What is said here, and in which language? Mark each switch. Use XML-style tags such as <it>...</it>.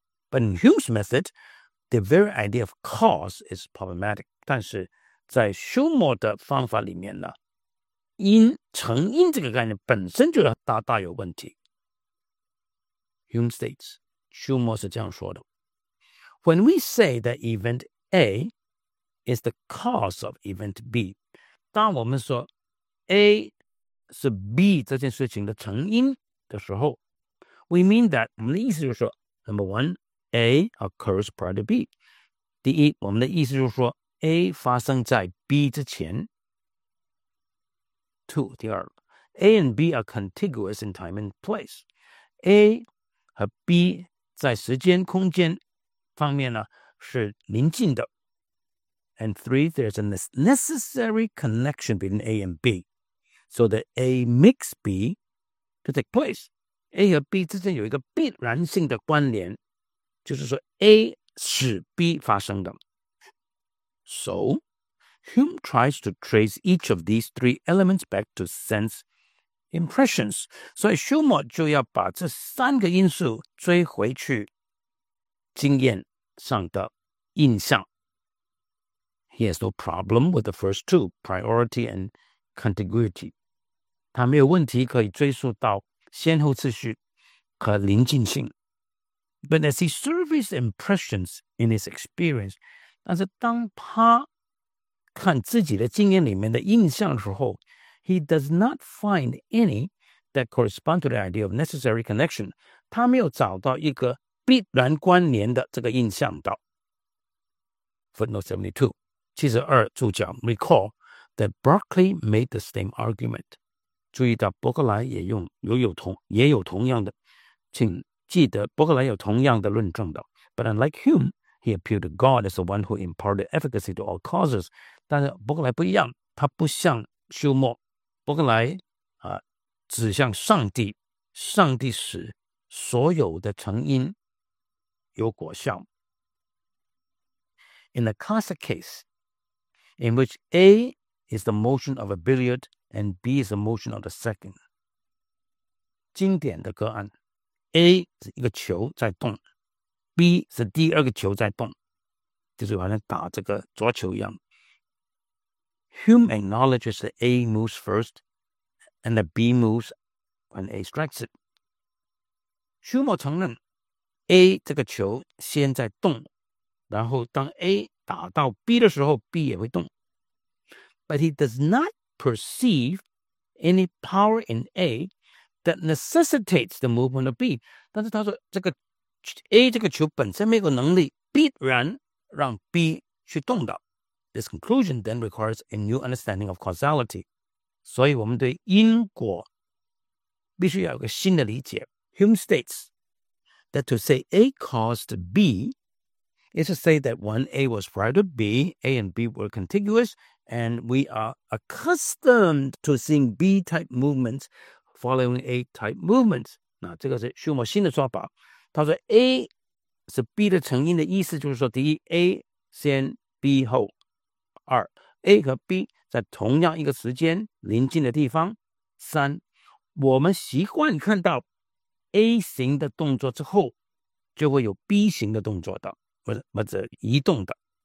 <en>But in Hume's method, the very idea of cause is problematic.</en> <zh>但是在休谟的方法里面呢，因成因这个概念本身就要大大有问题。</zh> <en>Hume states,</en> <zh>休谟是这样说的。</zh> <en>When we say that event A is the cause of event B,</en> <zh>当我们说 A 是 B 这件事情的成因的时候，</zh> <en>we mean that,</en> <zh>我们的意思就是说</zh> <en>number one, A occurs prior to B.</en> <zh>第一，我们的意思就是说 A 发生在 B 之前。</zh> <en>Two,</en> <zh>第二，</zh> <en>A and B are contiguous in time and place.</en> <zh>A 和 B 在时间空间方面呢是临近的。</zh> <en>And three, there's a necessary connection between A and B. So that A makes B to take place.</en> <zh>A 和 B 之间有一个必然性的关联，就是说 A 使 B 发生的。</zh> <en>So, Hume tries to trace each of these three elements back to sense impressions.</en> <zh>所以休谟就要把这三个因素追回去经验上的印象。</zh> <en>He has no problem with the first two, priority and contiguity.</en> <zh>他没有问题可以追溯到先后次序和临近性。</zh> <en>But as he surveys impressions in his experience,</en> <zh>但是当他看自己的经验里面的印象的时候，</zh> <en>he does not find any that correspond to the idea of necessary connection.</en> <zh>他没有找到一个必然关联的这个印象的。</zh> <en>Footnote 72, 72注脚 Recall that Berkeley made the same argument.</en> <zh>注意到伯克莱也用也有同样的，请记得伯克莱有同样的论证的。</zh> <en>But unlike Hume, he appealed to God as the one who imparted efficacy to all causes.</en> <zh>但是伯克莱不一样，他不像休谟，伯克莱啊，指向上帝，上帝使所有的成因有果效。</zh> <en>In the classic case, in which A is the motion of a billiard and B is the motion of the second,</en> <zh>经典的个案 A 是一个球在动， B 是第二个球在动，就是好像打这个桌球一样。</zh> <en>Hume acknowledges that A moves first and that B moves when A strikes it.</en> <zh>Hume 承认 A 这个球先在动，然后当 A 打到 B 的时候 B 也会动。</zh> <en>But he does not perceive any power in A that necessitates the movement of B.</en> <zh>但是他说这个 A 这个球本身没有能力必然让 B 去动的。</zh> <en>This conclusion then requires a new understanding of causality.</en> <zh>所以我们对因果必须要有个新的理解。</zh> <en>Hume states that to say A caused B is to say that when A was prior to B, A and B were contiguous, and we are accustomed to seeing B-type movements following A-type movements.</en> <zh>那这个是休谟新的说法。他说 A 是 B 的成因的意思就是说，第一 A 先 B 后，二 A 和 B 在同样一个时间临近的地方，三我们习惯看到 A 型的动作之后就会有 B 型的动作的，或者移动的。</zh>